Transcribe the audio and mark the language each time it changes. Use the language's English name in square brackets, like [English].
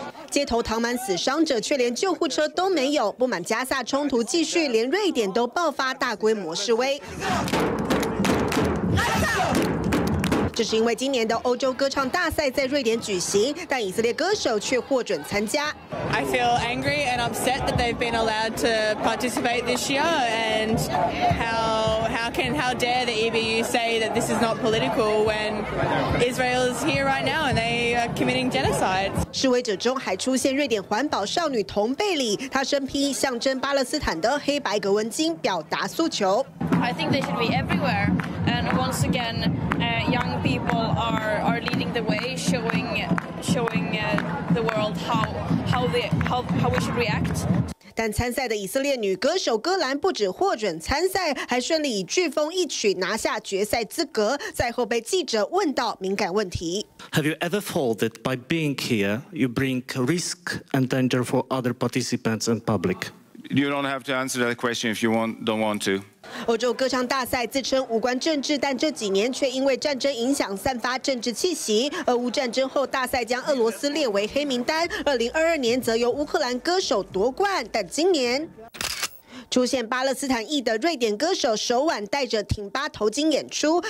[Chinese] 街头躺满死伤者，却连救护车都没有。不满加萨冲突继续，连瑞典都爆发大规模示威。这是因为今年的欧洲歌唱大赛在瑞典举行，但以色列歌手却获准参加。 [English] I feel angry and upset that they've been allowed to participate this year, and how dare the EBU say that this is not political when Israel is here right now and they are committing genocide. [Chinese] 示威者中还出现瑞典环保少女童贝里，她身披象征巴勒斯坦的黑白格纹巾，表达诉求。 [English] I think they should be everywhere, and once again, young. People are leading the way, showing the world how we should react. [Chinese] 但参赛的以色列女歌手戈兰不止获准参赛，还顺利以飓风一曲拿下决赛资格。赛后被记者问到敏感问题 [English] ：Have you ever thought that by being here, you bring risk and danger for other participants and public? You don't have to answer that question if you don't want to. [Chinese] 欧洲歌唱大赛自称无关政治，但这几年却因为战争影响散发政治气息。俄乌战争后，大赛将俄罗斯列为黑名单。2022年则由乌克兰歌手夺冠，但今年出现巴勒斯坦裔的瑞典歌手首晚戴着挺巴头巾演出。